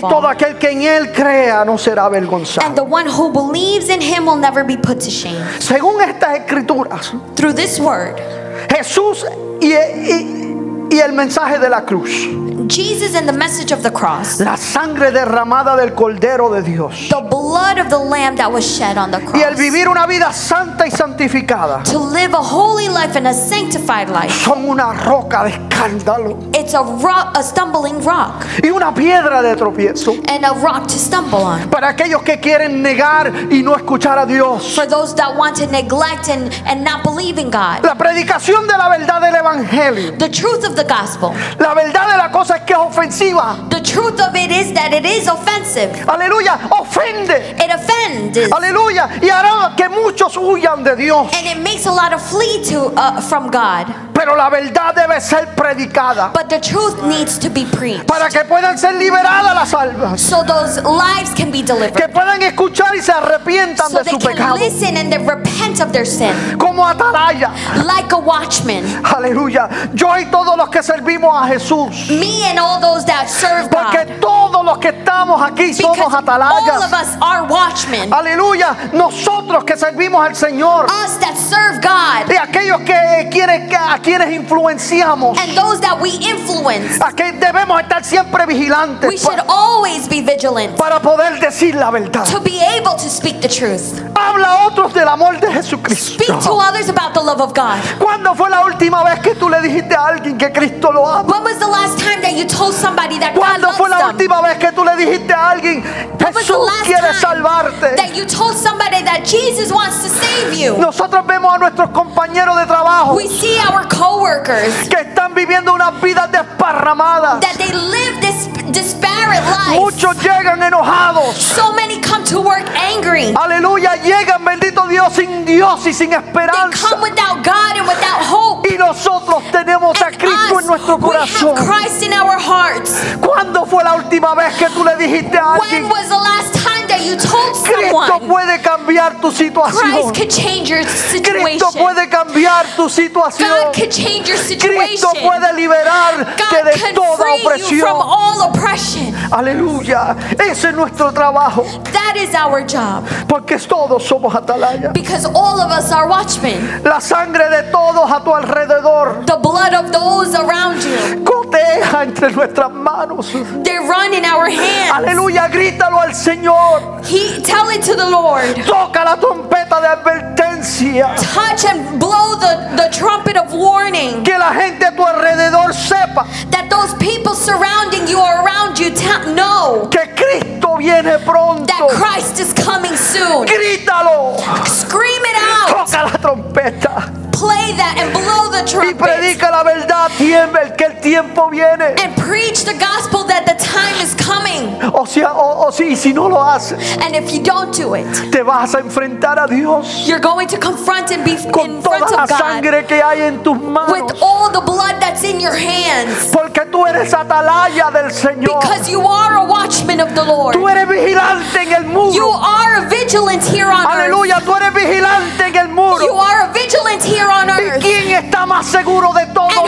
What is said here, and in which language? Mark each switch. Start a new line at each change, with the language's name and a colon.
Spanish: Y todo aquel que en él crea no será avergonzado.
English: And the one who believes in him will never be put to shame.
Spanish: Según estas escrituras.
English: Through this word.
Spanish: Jesús y el mensaje de la cruz.
English: Jesus and the message of the cross.
Spanish: La sangre derramada del cordero de Dios.
English: The blood of the lamb that was shed on the cross.
Spanish: Y el vivir una vida santa y santificada.
English: To live a holy life and a sanctified life.
Spanish: Son una roca de escándalo.
English: It's a rock, a stumbling rock.
Spanish: Y una piedra de tropiezo.
English: And a rock to stumble on.
Spanish: Para aquellos que quieren negar y no escuchar a Dios.
English: For those that want to neglect and not believe in God.
Spanish: La predicación de la verdad del evangelio.
English: The truth of the gospel.
Spanish: La verdad de la cosa es que es ofensiva.
English: The truth of it is that it is offensive.
Spanish: Aleluya, ofende.
English: It offends.
Spanish: Aleluya, y hará que muchos huyan de Dios.
English: And it makes a lot of flee to from God.
Spanish: Pero la verdad debe ser predicada.
English: But the truth needs to be preached.
Spanish: Para que puedan ser liberadas las almas.
English: So those lives can be delivered.
Spanish: Que puedan escuchar y se arrepientan
English: so
Spanish: de su pecado.
English: So they can listen and they repent of their sin.
Spanish: Como atalaya.
English: Like a watchman.
Spanish: Aleluya. Yo y todos los que servimos a Jesús.
English: Me and all those that serve
Spanish: Porque Porque todos los que estamos aquí
English: Because
Spanish: somos atalayas.
English: All of us are watchmen.
Spanish: Aleluya. Nosotros que servimos al Señor.
English: Us that serve God.
Spanish: Y aquellos que quieren que a quienes influenciamos.
English: And those that we influence.
Spanish: A que debemos estar siempre vigilantes.
English: We should always be vigilant.
Spanish: Para poder decir la verdad.
English: To be able to speak the truth.
Spanish: Habla a otros del amor de Jesucristo.
English: Speak to others about the love of God.
Spanish: ¿Cuándo fue la última vez que tú le dijiste a alguien que Cristo lo ama?
English: When was the last time that you told somebody that God loves them?
Spanish: ¿Cuándo fue la última vez que tú le dijiste a alguien Jesús quiere salvarte?
English: That you told somebody that Jesus wants to save you?
Spanish: Nosotros vemos a nuestros compañeros de trabajo.
English: We see our coworkers.
Spanish: Que están viviendo unas vidas desparramadas.
English: That they live this disparate life.
Spanish: Muchos llegan enojados.
English: So many come to work angry.
Spanish: Aleluya, llegan bendito Dios sin Dios y sin esperanza.
English: They come without God and without hope.
Spanish: Y nosotros tenemos
English: and
Spanish: a Cristo
English: us,
Spanish: en nuestro corazón.
English: We have Christ in our hearts.
Spanish: ¿Cuándo fue la última vez que tú le dijiste a alguien?
English: When was the last time that you told someone?
Spanish: Cristo puede cambiar tu situación.
English: Christ can change your situation.
Spanish: Cristo puede cambiar tu situación.
English: God can change your situation.
Spanish: Cristo puede liberar que de toda opresión.
English: God can free you from all oppression.
Spanish: Aleluya, ese es nuestro trabajo.
English: That is our job.
Spanish: Porque todos somos atalayas.
English: Because all of us are watchmen.
Spanish: La sangre de todos a tu alrededor.
English: The blood of those around you.
Spanish: Goteja entre nuestras manos.
English: They run in our hands.
Spanish: Aleluya, grítalo al Señor.
English: He, tell it to the Lord.
Spanish: Toca la trompeta de advertencia.
English: Touch and blow the trumpet of warning.
Spanish: Que la gente a tu alrededor sepa.
English: That those people surrounding you or around you know.
Spanish: Que Cristo viene pronto.
English: That Christ is coming soon.
Spanish: Grítalo.
English: Scream it out.
Spanish: Toca la trompeta.
English: Play that and blow the trumpet.
Spanish: Y predica la verdad, tiembla que el tiempo viene.
English: And preach the gospel that the time is coming.
Spanish: O sea, o si si no lo haces.
English: And if you don't do it.
Spanish: Te vas a enfrentar a Dios.
English: You're going to confront and be in front of God.
Spanish: Con toda la sangre que hay en tus manos.
English: With all the blood that's in your hands.
Spanish: Porque tú eres atalaya del Señor.
English: Because you are a watchman of the Lord.
Spanish: Tú eres vigilante en el muro.
English: You are a vigilant here on
Spanish: Aleluya, Aleluya, tú eres vigilante en el muro.
English: You are a vigilant here on earth.
Spanish: ¿Y quién está más seguro de todos